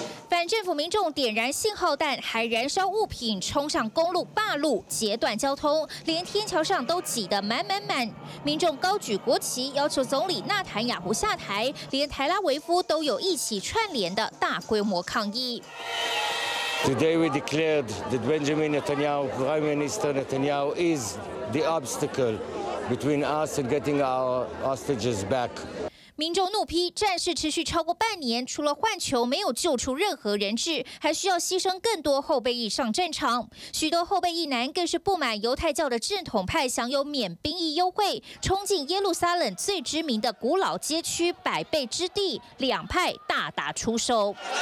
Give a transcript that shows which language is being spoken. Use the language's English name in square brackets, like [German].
[Chinese] 反政府民众点燃信号弹，还燃烧物品，冲上公路霸路，截断交通，连天桥上都挤得满满满。民众高举国旗，要求总理纳坦雅胡下台，连台拉维夫都有一起串联的大规模抗议。 [English] Today we declared that Benjamin Netanyahu, Prime Minister Netanyahu, is the obstacle between us and getting our hostages back. [Chinese] 民众怒批战事持续超过半年，除了换囚，没有救出任何人质，还需要牺牲更多后备役上战场。许多后备役男更是不满犹太教的正统派享有免兵役优惠，冲进耶路撒冷最知名的古老街区百倍之地，两派大打出手。